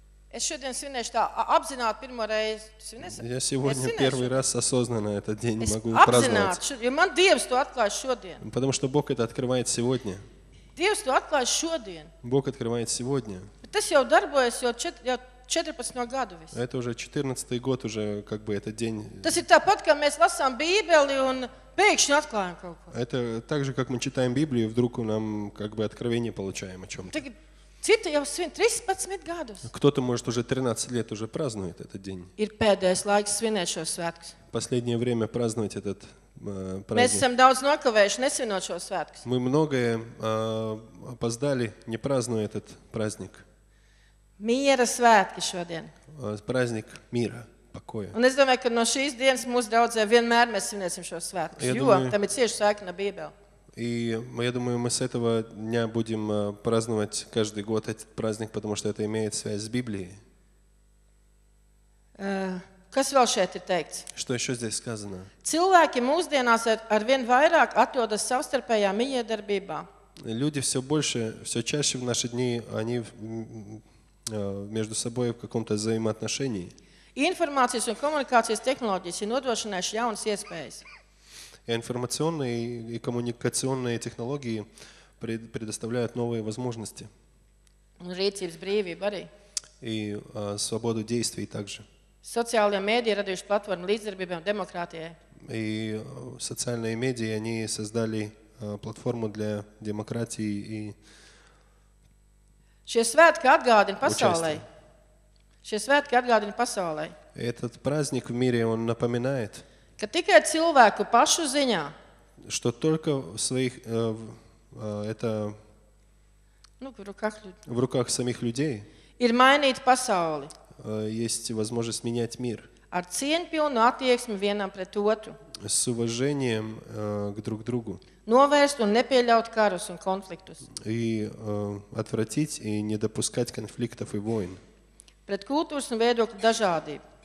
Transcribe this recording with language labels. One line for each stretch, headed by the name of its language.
Latvian: Es šodien svinēšu tā apzināti pirmo reizi.
Russian: Я сегодня первый раз осознанно этот день
Latvian: es
Russian: могу праздновать.
Latvian: Man Dievs to atklāja šodien.
Russian: Потому что Бог это открывает сегодня.
Latvian: Dievs to atklāja šodien.
Russian: Бог открывает сегодня.
Latvian: Bet tas jau darbojas jau 14 gadu visu.
Russian: Это уже 14-й год уже как бы этот день.
Latvian: Tas ir tāpat, kā mēs lasām Bībeli un pēkšņi atklājam kaut ko.
Russian: Это так же, как мы читаем Библию, вдруг нам как бы откровение получаем о чём-то.
Latvian: Cita jau svin 13 gadus.
Russian: Кто-то может уже 13 лет уже празднует этот день.
Latvian: Ir pēdējais laiks svinēt šo svētku.
Russian: Последнее время праздновать этот праздник.
Latvian: Mēs esam daudz nokavējuši nesvinot šo svētku.
Russian: Мы многое опоздали, не празднуя этот праздник.
Latvian: Miera svētki šodien.
Russian: Праздник мира, покоя.
Latvian: Un es domāju, ka no šīs dienas mūsu draudzē vienmēr mēs svinēsim šo svētku, jo tam ir cieši svētki no Bībeles.
Russian: И я думаю, мы с этого дня будем праздновать каждый год этот праздник, потому что это имеет связь с Библией.
Latvian: Kas vēl šeit ir teikts?
Russian: Что ещё здесь сказано?
Latvian: Cilvēki mūsdienās ar vien vairāk atrodas savstarpējā mīlestībā.
Russian: Люди всё больше, всё чаще в наши дни они между собой в каком-то взаимоотношении. Информационные и коммуникационные технологии нодрошинаш
Latvian: jaunas iespējas.
Russian: Информационные и коммуникационные технологии предоставляют новые возможности.
Latvian: Rīcības brīvība arī.
Russian: И свободу действий также.
Latvian: Sociālajā mēdī radījuši platformu līdzdarbībām demokrātijai.
Russian: И социальные медиа они создали платформу для демократии и
Latvian: Šie svētki atgādina pasaulē. Šie svētki atgādina pasaulē.
Russian: Этот праздник в мире он напоминает.
Latvian: Ka tikai cilvēku pašu ziņā.
Russian: Что только в своих это Ну, в руках людей. В руках самих людей.
Latvian: Ir mainīt pasauli.
Russian: Есть возможность менять мир.
Latvian: Ar cieņpilnu attieksmi vienam pret otru.
Russian: С уважением к друг другу.
Latvian: Novērst un nepieļaut karus un konfliktus.
Russian: И отвратить и не допускать конфликтов и войн.
Latvian: Pret kultūras un viedokļu dažādību.